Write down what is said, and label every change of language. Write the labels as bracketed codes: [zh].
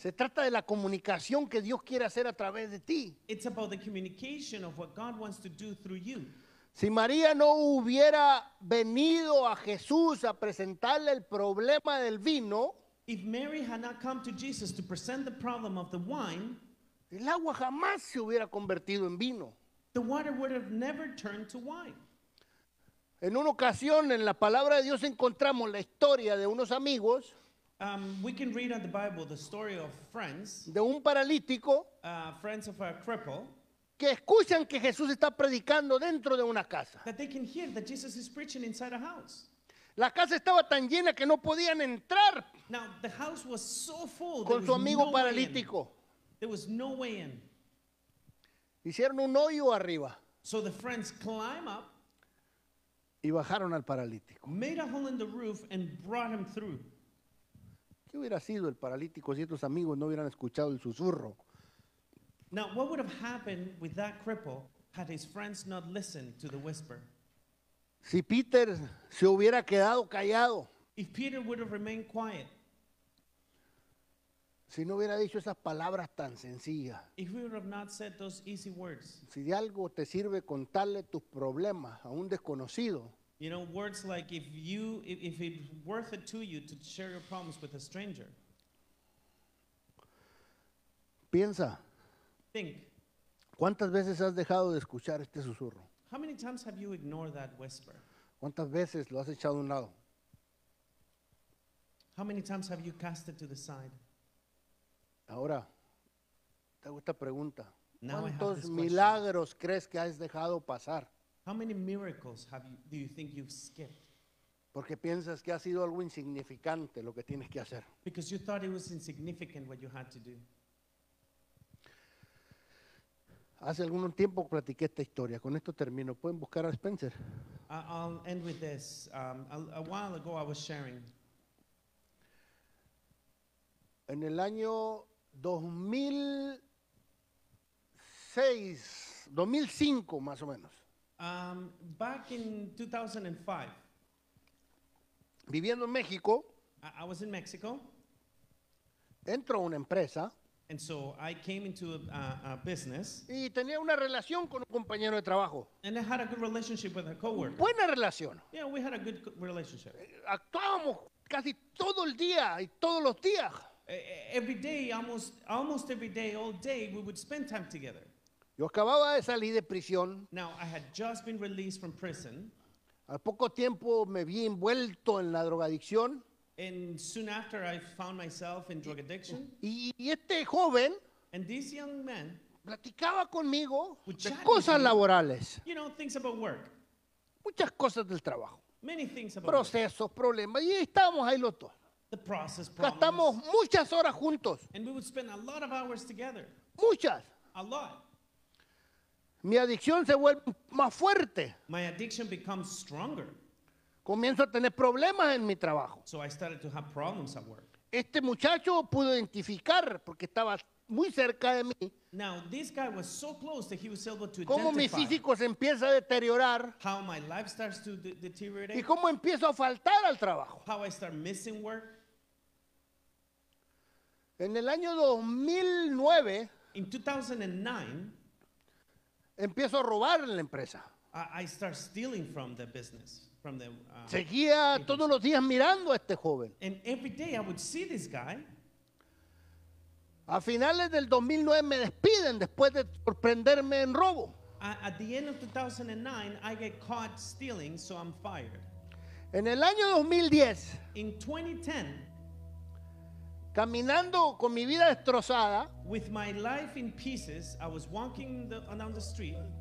[es] Se trata de la comunicación que Dios quiere hacer a través de ti. [en] It's about the communication of what God wants to do through you. [es] Si María no hubiera venido a Jesús a presentarle el problema del vino, [en] if Mary had not come to Jesus to present the problem of the wine, [es] el agua jamás se hubiera convertido en vino. [en] The water would have never turned to wine. [es] En una ocasión, en la palabra de Dios encontramos la historia de unos amigos. [en] We can read on the Bible the story of friends. [es] De un paralítico. [en] Friends of a cripple. [es] Que escuchan que Jesús está predicando dentro de una casa. [en] That they can hear that Jesus is preaching inside a house. [es] La casa estaba tan llena que no podían entrar. [en] Now the house was so full. [es] Con su amigo paralítico. [en] There was no way in. [es] Hicieron un hoyo arriba. [en] So the friends climb up. [es] Y bajaron al paralítico. [en] Made a hole in the roof and brought him through. [es] ¿Qué hubiera sido el paralítico si estos amigos no hubieran escuchado el susurro? [en] Now, what would have happened with that cripple had his friends not listened to the whisper? [es] Si Peter se hubiera quedado callado. [en] If Peter would have remained quiet. [es] Si no hubiera dicho esas palabras tan sencillas. [en] If he would have not said those easy words. [es] Si de algo te sirve contarle tus problemas a un desconocido. [en] You know, words like if it's worth it to you to share your problems with a stranger. [es] Piensa. [en] Think. [es] ¿Cuántas veces has dejado de escuchar este susurro? [en] How many times have you ignored that whisper? [es] ¿Cuántas veces lo has echado a un lado? [en] How many times have you cast it to the side? [es] Ahora, te hago esta pregunta. [en] Now [es] ¿Cuántos [en] I have this [es] milagros [en] question. [es] Crees que has dejado pasar? [en] How many miracles have you, do you think you've skipped? [es] Porque piensas que ha sido algo insignificante lo que tienes que hacer. [en] Because you thought it was insignificant what you had to do. [es] Hace algún tiempo platiqué esta historia. Con esto termino. Pueden buscar a Spencer. [en] I'll end with this. A while ago I was sharing. [es] En el año 2005 más o menos. [en] Back in 2005. [es] Viviendo en México. [en] I was in Mexico. [es] Entro a una empresa. [en] And so I came into a business. [es] Y tenía una relación con un compañero de trabajo. [en] And I had a good relationship with a coworker. [es] Buena relación. [en] Yeah, we had a good relationship. [es] Actuábamos casi todo el día y todos los días. [en] Every day, almost every day, all day, we would spend time together. [es] Yo acababa de salir de prisión. [en] Now, I had just been released from prison. [es] Al poco tiempo me vi envuelto en la drogadicción. [en] And soon after, I found myself in drug addiction. [es] Y este joven, [en] and this young man, [es] platicaba conmigo de cosas laborales. [en] You know, things about work. [es] Muchas cosas del trabajo. [en] Many things about [es] procesos, [en] work. [es] Problemas. Y estábamos ahí los dos. [en] The process problems. [es] Gastamos muchas horas juntos. [en] And we would spend a lot of hours together. [es] Muchas. [en] A lot. [es] Mi adicción se vuelve más fuerte. [en] My addiction becomes stronger. [es] Comienzo a tener problemas en mi trabajo. [en] So I started to have problems at work. [es] Este muchacho pudo identificar porque estaba muy cerca de mí. [en] Now this guy was so close that he was able to identify. [es] Cómo mi físico se empieza a deteriorar. [en] How my life starts to deteriorate. [es] Y cómo empiezo a faltar al trabajo. [en] How I start missing work. [es] En el año 2009. [en] In 2009. [es] Empiezo a robar en la empresa. [en] I start stealing from the business. From the, [es] seguía [en] agency. [es] Todos los días mirando a este joven. [en] And every day I would see this guy. [es] A finales del 2009 me despiden después de sorprenderme en robo. [en] At the end of 2009 I get caught stealing, so I'm fired. [es] En el año 2010. [en] In 2010. [es] Caminando con mi vida destrozada. [en] With my life in pieces, I was walking down the street.